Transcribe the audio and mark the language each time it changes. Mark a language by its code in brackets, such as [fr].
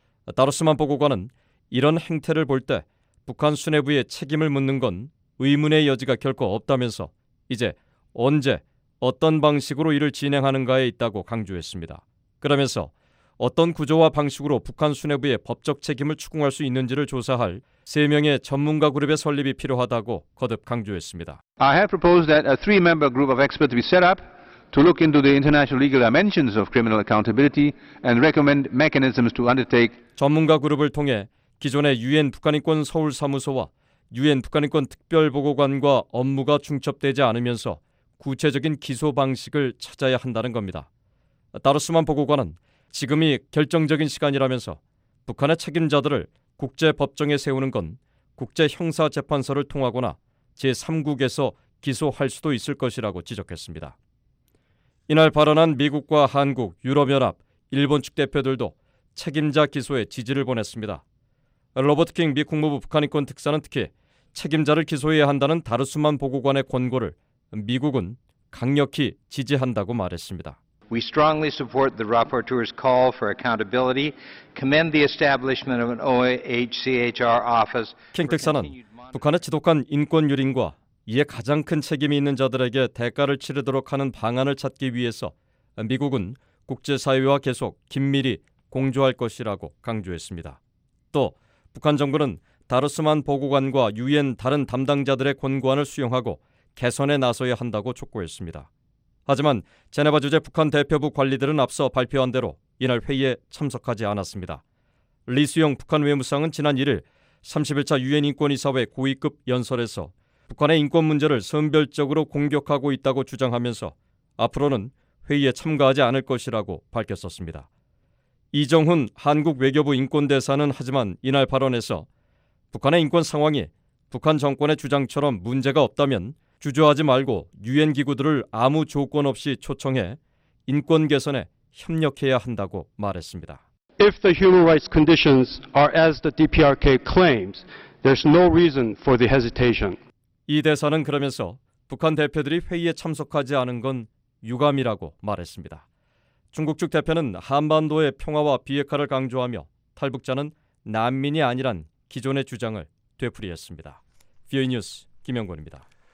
[ko] 다르스만 보고관은 이런 행태를 볼 때 북한 수뇌부의 책임을 묻는 건 의문의 여지가 결코 없다면서 이제 언제 어떤 방식으로 이를 진행하는가에 있다고 강조했습니다. 그러면서 어떤 구조와 방식으로 북한 수뇌부의 법적 책임을 추궁할 수 있는지를 조사할 3명의 전문가 그룹의 설립이 필요하다고 거듭 강조했습니다. [en] I have proposed that a three-member group of experts be set up to look into the international legal dimensions of criminal accountability and recommend mechanisms to undertake [ko] 전문가 그룹을 통해 기존의 유엔 북한인권 서울 사무소와 유엔 북한인권 특별보고관과 업무가 중첩되지 않으면서 구체적인 기소 방식을 찾아야 한다는 겁니다. 다르스만 보고관은 지금이 결정적인 시간이라면서 북한의 책임자들을 국제법정에 세우는 건 국제형사재판소를 통하거나 제3국에서 기소할 수도 있을 것이라고 지적했습니다. 이날 발언한 미국과 한국, 유럽연합, 일본 측 대표들도 책임자 기소에 지지를 보냈습니다. 로버트 킹 미 국무부 북한인권 특사는 특히 책임자를 기소해야 한다는 다르스만 보고관의 권고를 미국은 강력히 지지한다고 말했습니다. [en] We strongly support the rapporteur's call for accountability. Commend the establishment of an OHCHR office. [ko] 킹 특사는 북한의 지독한 인권 유린과 이에 가장 큰 책임이 있는 자들에게 대가를 치르도록 하는 방안을 찾기 위해서 미국은 국제사회와 계속 긴밀히 공조할 것이라고 강조했습니다. 또 북한 정부는 다르스만 보고관과 유엔 다른 담당자들의 권고안을 수용하고 개선에 나서야 한다고 촉구했습니다. 하지만 제네바 주재 북한 대표부 관리들은 앞서 발표한 대로 이날 회의에 참석하지 않았습니다. 리수영 북한 외무상은 지난 1일 31차 유엔 인권이사회 고위급 연설에서 북한의 인권 문제를 선별적으로 공격하고 있다고 주장하면서 앞으로는 회의에 참가하지 않을 것이라고 밝혔었습니다. 이정훈 한국 외교부 인권대사는 하지만 이날 발언에서 북한의 인권 상황이 북한 정권의 주장처럼 문제가 없다면 주저하지 말고 유엔 기구들을 아무 조건 없이 초청해 인권 개선에 협력해야 한다고 말했습니다. [en] If the human rights conditions are as the DPRK claims, there's no reason for the hesitation. [ko] 이 대사는 그러면서 북한 대표들이 회의에 참석하지 않은 건 유감이라고 말했습니다. 중국 측 대표는 한반도의 평화와 비핵화를 강조하며 탈북자는 난민이 아니란 기존의 주장을 되풀이했습니다. VOA 뉴스 김영권입니다.